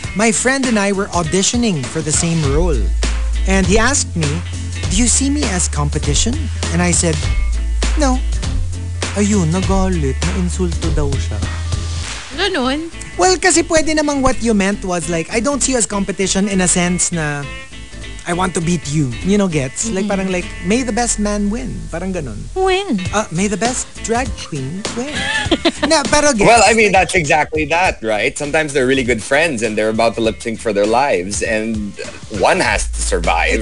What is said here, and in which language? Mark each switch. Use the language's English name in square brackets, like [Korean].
[English] My friend and I were auditioning for the same role. And he asked me, do you see me as competition? And I said, no. [Filipino] Ayun, nagalit, na-insulto daw siya. Ganun? [English] Well, kasi pwede namang what you meant was like, I don't see you as competition in a sense na I want to beat you. You know, gets? Mm-hmm. Like, parang like, may the best man win. [Filipino] Parang ganun. [English] Win? May the best drag queen win. [Filipino] Na, pero gets? [English] Well, I mean, like, that's exactly that, right? Sometimes they're really good friends and they're about to lip sync for their lives and one has to survive,